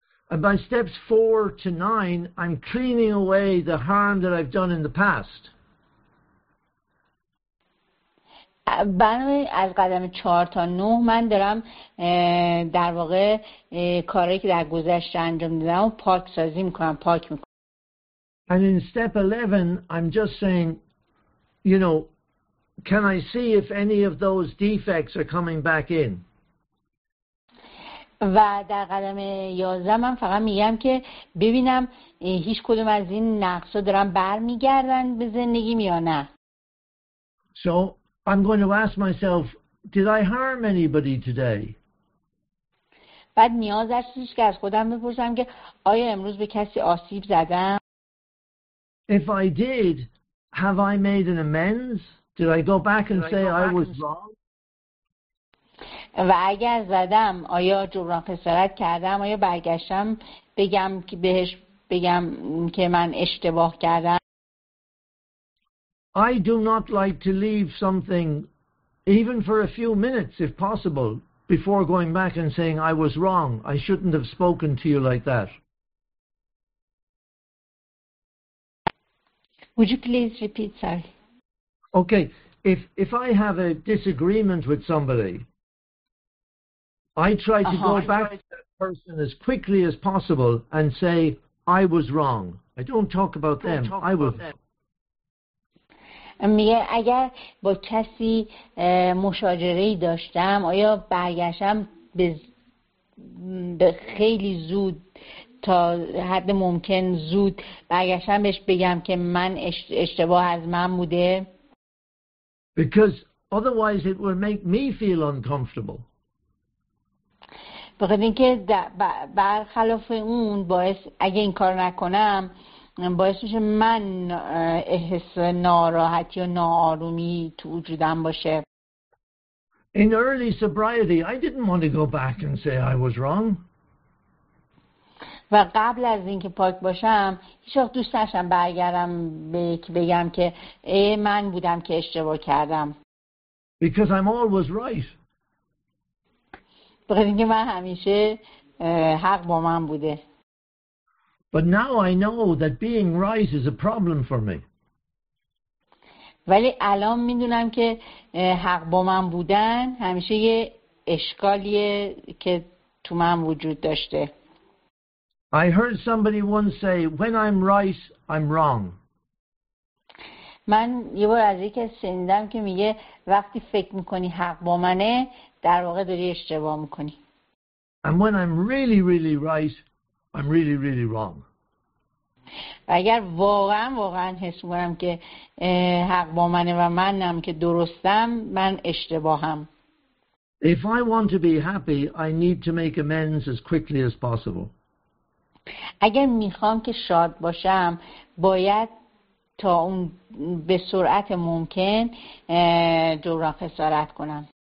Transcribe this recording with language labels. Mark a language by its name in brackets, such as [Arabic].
[English] And by steps 4 to 9, I'm cleaning away the harm that I've done in the past. [Persian] بنابراین از قدم 4 تا 9 من دارم در واقع کاری که در گذشته انجام دادم و پاک سازی میکنم، پاک میکنم. [English] And in step 11, I'm just saying, you know, can I see if any of those defects are coming back in? [Persian] و در قدم 11 من فقط میگم که ببینم هیچ کدوم از این نقصا دارن برمیگردن به زندگیم یا نه. [English] So I'm going to ask myself, did I harm anybody today? [Persian] بعد نیاز هستش که از خودم بپرسم که آیا امروز به کسی آسیب زدم؟ [English] If I did, have I made an amends? Did I go back and say I was wrong? [Persian] و اگر زدم، آیا جبران خسارت کردم؟ آیا برگشتم بگم که بهش بگم که من اشتباه کردم؟ [English] I do not like to leave something even for a few minutes if possible before going back and saying I was wrong. I shouldn't have spoken to you like that. Would you please repeat, sir? Okay. If I have a disagreement with somebody, I try to go back to that person as quickly as possible and say I was wrong. I don't talk about them. I was wrong. [Persian] میگه اگر با کسی مشاجره ای داشتم، آیا برگشتم به خیلی زود، تا حد ممکن زود برگشتم بهش بگم که من اشتباه از من بوده؟ [English] Because otherwise it will make me feel uncomfortable. [Persian] بخاطر اینکه برخلاف اون، باعث اگه این کار نکنم باعث میشه من احساس ناراحتی و ناآرومی تو وجودم باشه. [English] In early sobriety, I didn't want to go back and say I was wrong. [Persian] و و قبل از اینکه پاک باشم هیچ وقت دوست نشم برگردم بگم که ای من بودم که اشتباه کردم. [English] Because I'm always right. [Persian] برای اینکه من همیشه حق با من بوده. [English] But now I know that being right is a problem for me. [Persian] ولی الان میدونم که حق با من بودن همیشه یه اشکالیه که تو من وجود داشته. [English] I heard somebody once say, "When I'm right, I'm wrong." [Persian] من یه بار از یکی شنیدم که میگه وقتی فکر میکنی حق با منه در واقع داری اشتباه میکنی. [English] And when I'm really, really right, I'm really, really wrong. [Persian] و اگر واقعا حس میکنم که حق با منه و منم که درستم من اشتباهم. [English] If I want to be happy, I need to make amends as quickly as possible. [Persian] اگر میخوام که شاد باشم باید تا اون به سرعت ممکن جبران خسارت کنم.